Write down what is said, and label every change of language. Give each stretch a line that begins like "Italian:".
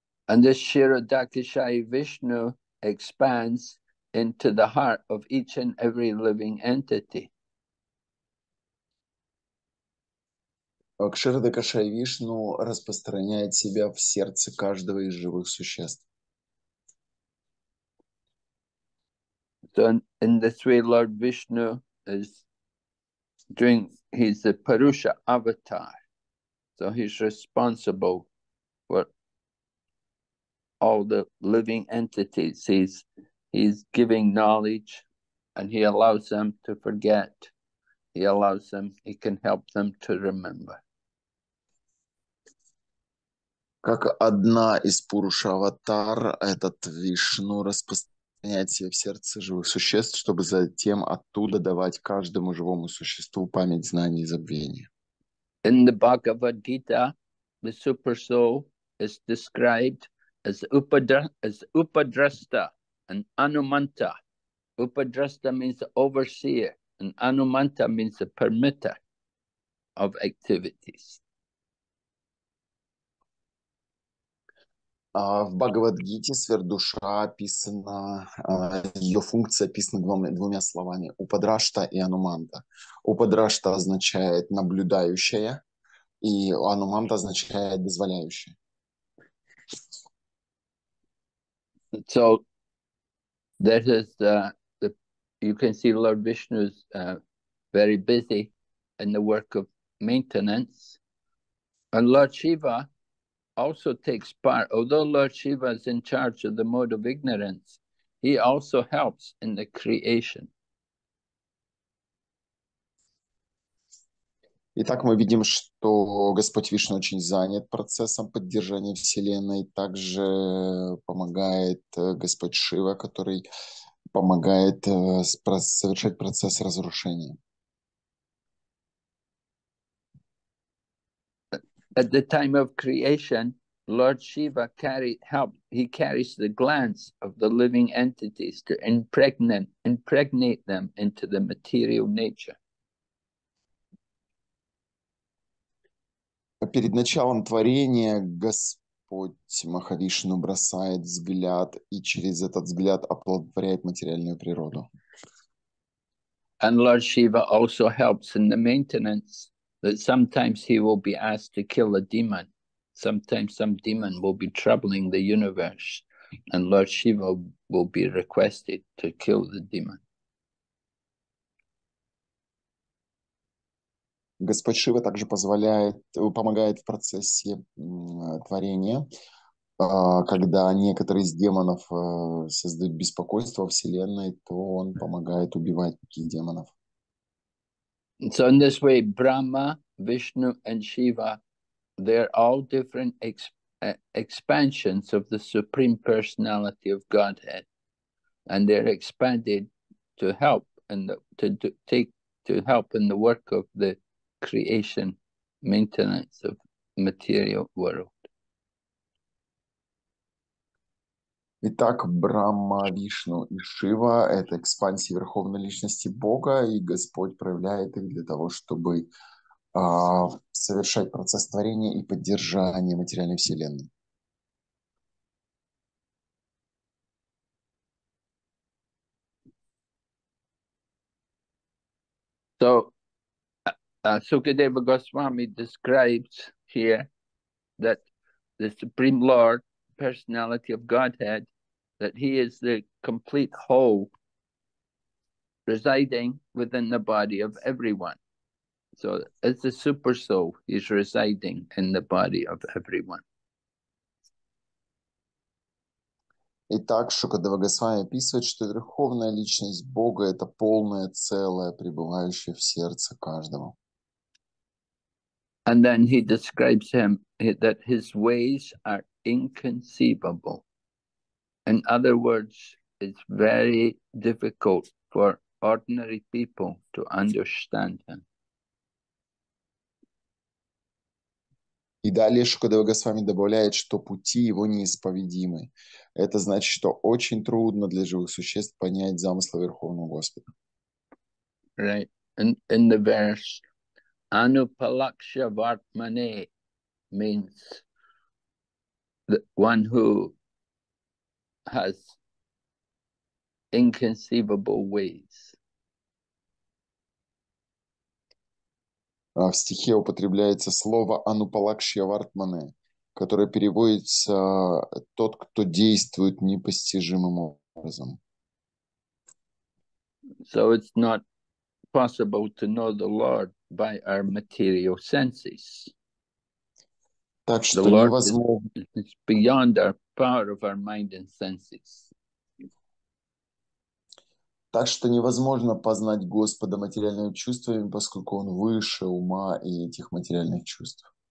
English: And this Ширадакшая Вишну expands into the heart of each and every living entity.
Russian: Кширадакшая Вишну распространяет себя в сердце каждого из живых существ.
English: So in this way, Lord Vishnu is doing, he's the Purusha avatar. So he's responsible for all the living entities. He's giving knowledge and he allows them to forget. He allows them, he can help them to remember.
Russian: Как одна из Пуруша-аватар, этот Вишну распространяет себя в сердце живых существ, чтобы затем оттуда давать каждому живому существу память, знание и забвение.
English: In the Bhagavad Gita, the super soul is described as Upadrasta and Anumanta. Upadrasta means the overseer, and Anumanta means the permitter of activities.
Russian: В Бхагавадгите Свердуша описана, ее функция описана двумя словами – Упадрашта и Ануманта. Упадрашта означает «наблюдающая», и Ануманта означает «дозволяющая».
English: So, this is the you can see Lord Vishnu is very busy in the work of maintenance, and Lord Shiva also takes part. Although Lord Shiva is in charge of the mode of ignorance, he also helps in the creation.
Russian: Итак, мы видим, что Господь Вишну очень занят процессом поддержания Вселенной, также помогает Господь Шива, который помогает совершать процесс разрушения.
English: At the time of creation, Lord Shiva carries the glands of the living entities to impregnate them into the material nature.
Russian: Перед началом творения Господь Махавишну бросает взгляд и через этот взгляд оплодотворяет материальную природу.
English: And Lord Shiva also helps in the maintenance, that sometimes he will be asked to kill a demon. Sometimes some demon will be troubling the universe, and Lord Shiva will be requested to kill the demon.
Russian: Господь Шива также помогает в процессе творения, когда некоторые из демонов создают беспокойство во Вселенной, то он помогает убивать таких демонов.
English: And so in this way, Brahma, Vishnu and Shiva, they're all different expansions of the Supreme Personality of Godhead, and they're expanded to help and to help in the work of the creation, maintenance of material world.
Russian: Итак, Брахма, Вишну и Шива — это экспансии Верховной Личности Бога, и Господь проявляет их для того, чтобы совершать процесс творения и поддержания материальной Вселенной.
English: So, Sukadeva Goswami describes here that the Supreme Lord, Personality of Godhead, that he is the complete whole residing within the body of everyone. So, as the super soul, he's residing in the body of everyone.
Russian: Итак, Шукадева Госвами описывает, что Верховная Личность Бога – это полное целое, пребывающее в сердце каждого.
English: And then he describes him, that his ways are inconceivable. In other words, it's very difficult for ordinary people to understand him.
Russian: И далее Шукадева Госвами добавляет, что пути его неисповедимы. Это значит, что очень трудно для живых существ понять замыслы Верховного Господа.
English: Right. In the verse, Anupalaksha Vartmane means the one who has inconceivable ways.
Russian: В стихе употребляется слово «анупалакшья вартмане», которое переводится «тот, кто действует непостижимым образом».
English: So it's not possible to know the Lord by our material senses.
Russian: Так что
English: the Lord
Russian: невозможно...
English: is beyond our power of our mind and senses.
Russian: Так что невозможно познать Господа материальными чувствами, поскольку Он выше ума и этих материальных чувств.